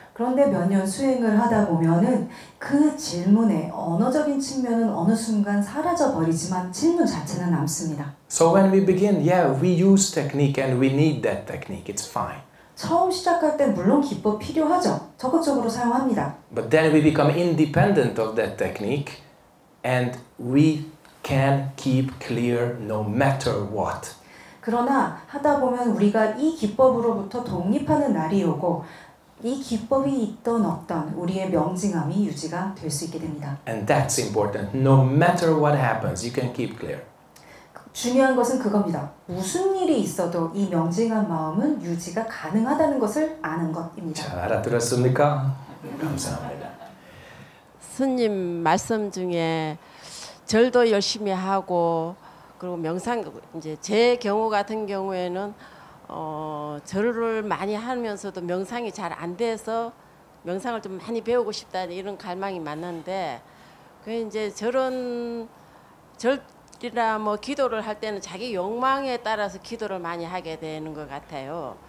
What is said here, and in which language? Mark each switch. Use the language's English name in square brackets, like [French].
[Korean] 그런데 몇 년 수행을 하다 보면은 그 질문의 언어적인 측면은 어느 순간 사라져 버리지만 질문 자체는 남습니다. [English] So when we begin, yeah, we use technique and we need that technique. It's fine. [Korean] 처음 시작할 때 물론 기법 필요하죠. 적극적으로 사용합니다. [English] But then we become independent of that technique and we can keep clear no matter what. [Korean] 그러나 하다 보면 우리가 이 기법으로부터 독립하는 날이 오고 이 기법이 있던 없던 우리의 명징함이 유지가 될 수 있게 됩니다. [English] And that's important. No matter what happens, you can keep clear. [Korean] 중요한 것은 그겁니다. 무슨 일이 있어도 이 명징한 마음은 유지가 가능하다는 것을 아는 것입니다. 잘 알아들었습니까? 감사합니다. 스님 말씀 중에 절도 열심히 하고 그리고 명상 이제 제 경우 같은 경우에는 절을 많이 하면서도 명상이 잘 안 돼서 명상을 좀 많이 배우고 싶다 이런 갈망이 많은데 그 이제 절은 절 이라 뭐 기도를 할 때는 자기 욕망에 따라서 기도를 많이 하게 되는 것 같아요.